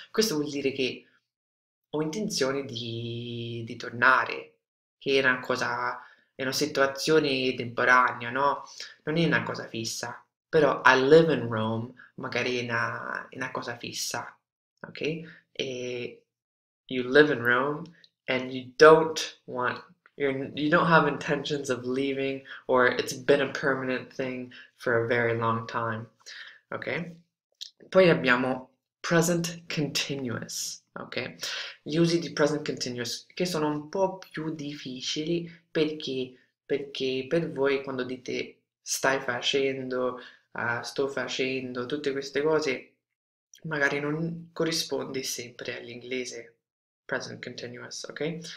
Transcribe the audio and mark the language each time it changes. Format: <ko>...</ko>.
<it>Questo vuol dire che ho intenzione di tornare, che è una cosa, è una situazione temporanea, no? Non è una cosa fissa, però</it> <en>I live in Rome</en> <it>magari è una cosa fissa, ok?</it> <en>E you live in Rome and you don't have intentions of leaving or it's been a permanent thing for a very long time, ok?</en> <it>Poi abbiamo present continuous. Ok, gli usi di present continuous che sono un po' più difficili perché per voi quando dite stai facendo, sto facendo, tutte queste cose, magari non corrisponde sempre all'inglese present continuous, ok?</it>